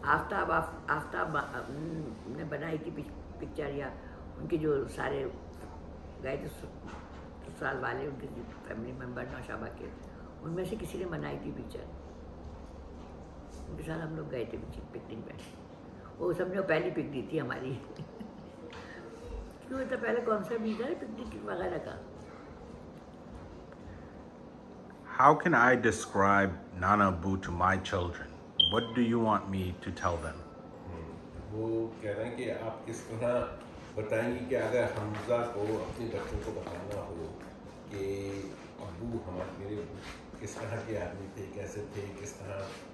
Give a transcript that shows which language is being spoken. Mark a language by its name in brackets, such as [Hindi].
[Hindi] आफ्ताब आफ्ताब ने बनाई थी पिक्चर या उनके जो सारे गए थे ससुराल वाले उनके फैमिली मेम्बर नौशाबा के उनमें से किसी ने बनाई थी पिक्चर साल हम लोग गए थे पिकनिक पर वो समझो पहली पिकनिक थी हमारी क्यों तो पहले कौन सा भी था पिकनिक वगैरह का [English] How can I describe Nana Abu to my children? What do you want me to tell them? [Hindi] वो कह रहे हैं कि आप किस तरह बताएंगे कि अगर हमजा को अपने बच्चों को बताना हो कि अबू हमारे मेरे किस तरह के आदमी थे कैसे थे किस तरह